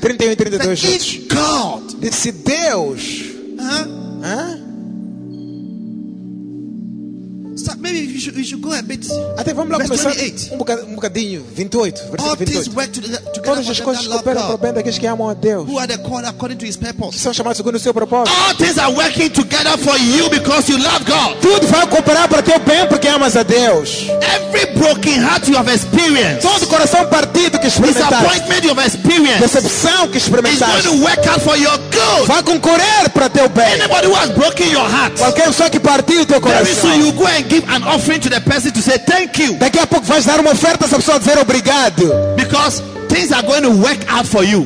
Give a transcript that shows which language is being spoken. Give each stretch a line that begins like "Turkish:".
Portuguese: 31 e 32.
English: Said, if God.
Portuguese: Disse Deus.
English: So maybe you should go a bit.
Portuguese: Até vamos lá começar. Um bocadinho. 28. Versículo 28. Todas as coisas cooperam para o bem daqueles que amam a Deus.
English: Who are the called according to his purpose.
Portuguese: Que são chamados segundo o seu propósito.
English: All things are working together for you because you love God.
Portuguese: Tudo vai cooperar para teu bem porque amas a Deus.
English: Every broken heart you have experienced.
Portuguese: Todo coração partido que que experimentaste.
English: Disappointment you've experienced.
Portuguese: Decepção que experimentaste.
English: It's going to work out for your good.
Portuguese: Vai concorrer para teu bem.
English: Anybody who has broken your heart.
Portuguese: Qualquer pessoa que partiu teu coração.
English: Very soon you go and give an offering to the person to say thank you.
Portuguese: Daqui a pouco vais dar uma oferta a essa pessoa dizer obrigado.
English: Because things are going to work out for you.